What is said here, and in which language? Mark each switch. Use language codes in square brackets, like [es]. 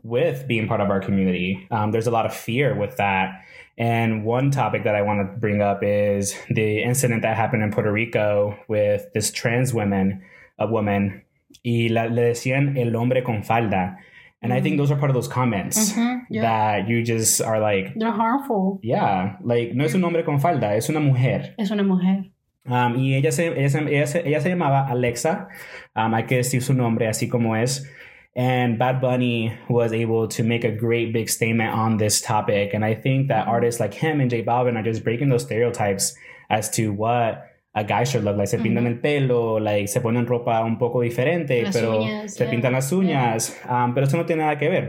[en] with being part of our community. There's a lot of fear with that. And one topic that I want to bring up is the incident that happened in Puerto Rico with this trans woman, a woman, [es] y la, le decían el hombre con falda. [en] And mm-hmm. I think those are part of those comments mm-hmm. yeah. that you just are like, they're harmful. Yeah. [es] Like, no es un hombre con falda, es una mujer. Es una mujer. Y ella se llamaba Alexa. Hay que decir su nombre así como es. [en] And Bad Bunny was able to make a great big statement on this topic. And I think that artists like him and J Balvin are just breaking those stereotypes as to what a guy should look like. [es] Se pintan el pelo, [en] like, [es] se ponen ropa un poco diferente, pero se pintan las uñas. [en] Yeah. [es] Pero eso no tiene nada que ver.